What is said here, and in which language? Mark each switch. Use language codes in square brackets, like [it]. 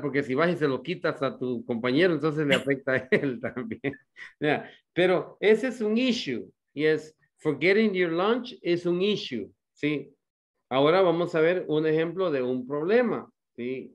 [es] Porque si vas y se lo quitas a tu compañero, entonces le afecta a él también. Yeah. Pero ese es un issue. [en] Yes, forgetting your lunch is an issue, ¿sí? [es] Ahora vamos a ver un ejemplo de un problema, ¿sí?